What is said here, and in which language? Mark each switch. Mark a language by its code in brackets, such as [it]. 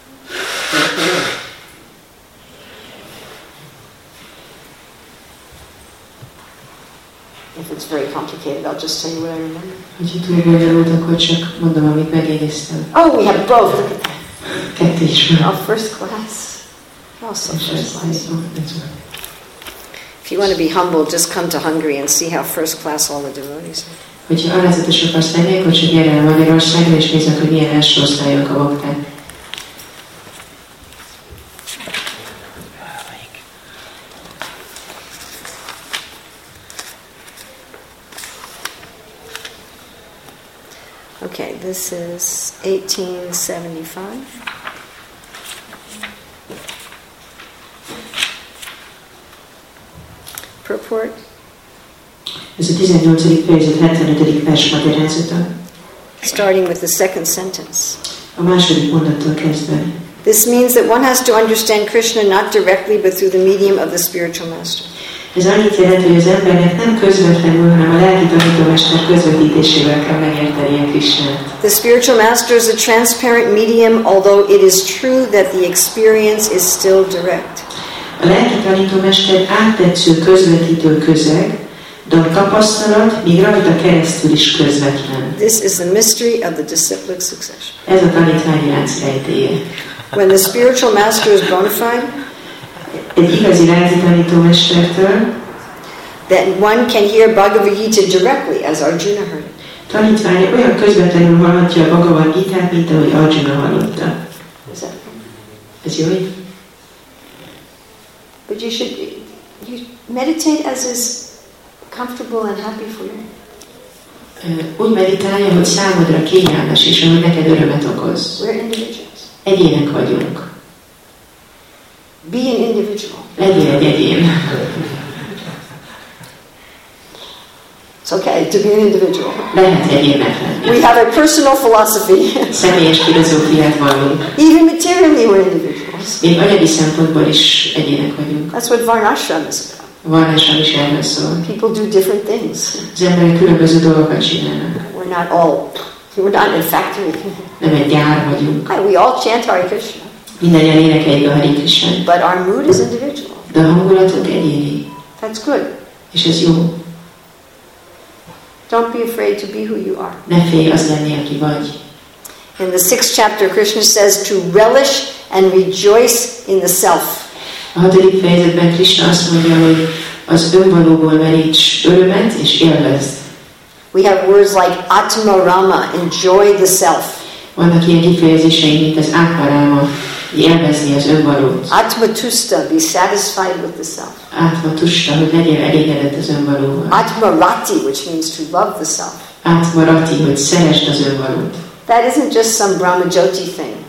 [en] If it's very complicated, I'll just tell you what I remember. [hu] Hogy itt még olyan volt, akkor csak mondom, amit megjegyeztem. [en] Oh, we have both. Look at that. [hu] Kettő is van. [en] Our first class. Also first class. If you want to be humble, just come to Hungary and see how first class all the devotees are. [hu] Hogyha alázatos akarsz lenni, akkor csak gyere el Magyarországra, és nézzük, hogy milyen első osztályok a bakták. [en] Okay, this is 1875. Purport. [hu] Ez a 18. fejezet, 75. vers magyarázata. [en] Starting with the second sentence. [hu] A második mondattól kezdve. [en] This means that one has to understand Krishna not directly, but through the medium of the spiritual master. [hu] Ez annyit jelent, hogy az embernek nem közvetlenül, hanem a lelki tanítómester közvetítésével kell megértenie Krishnát. [en] The spiritual master is a transparent medium, although it is true that the experience is still direct. [hu] A lelki tanítómester áttetsző közvetítő közeg, de a tapasztalat még rajta keresztül is közvetlen. [en] This is the mystery of the disciplic succession. [hu] Ez a tanítványi lánc rejtélye. [en] When the spiritual master is bona fide, [hu] egy igazi lelki tanítómestertől, [en] that one can hear Bhagavad Gita directly, as Arjuna heard. [hu] Tanítványa olyan közvetlenül hallhatja a Bhagavad Gita-t, mint ahogy Arjuna hallotta. Ez jó? [en] But you should you meditate as is comfortable and happy for you. [hu] Úgy meditálja, hogy számodra kényelmes, és ahogy neked örömet okoz. [en] We're individuals. [hu] Egyének vagyunk. [en] Be an individual. [hu] Legyél egy egyén. [en] It's okay to be an individual. [hu] Lehet egyének lenni. [en] We have a personal philosophy. [hu] Személyes filozófiát vallunk. [en] Even materially we're individuals. [hu] Még anyagi szempontból is egyének vagyunk. [en] That's what Varnashram is about. [hu] Varnashram is erről szól. [en] People do different things. [hu] Az emberek különböző dolgokat csinálnak. [en] We're not all. We're not in a factory. [hu] Nem egy gyár vagyunk. [en] Hey, we all chant Hare Krishna. [hu] Mindannyian énekeljük a Hare Krishnát. [en] But our mood is individual. [hu] De a hangulatunk egyéni. [en] That's good. [hu] És ez jó. [en] Don't be afraid to be who you are. [hu] Ne félj az lenni, aki vagy. [en] In the sixth chapter, Krishna says to relish and rejoice in the self. [hu] A hatodik fejezetben Krishna azt mondja, hogy az önvalóból meríts örömet és élvezd. [en] We have words like atmarama, enjoy the self. [hu] Vannak ilyen kifejezései, mint az átmaráma, élvezni az önvalót. [en] Atmatusta, be satisfied with the self. [hu] Atmatusta, hogy legyél elégedett az önvalóval. [en] Atmarati, which means to love the self. [hu] Atmarati, hogy szeresd az önvalót. [en] That isn't just some Brahmajyoti thing.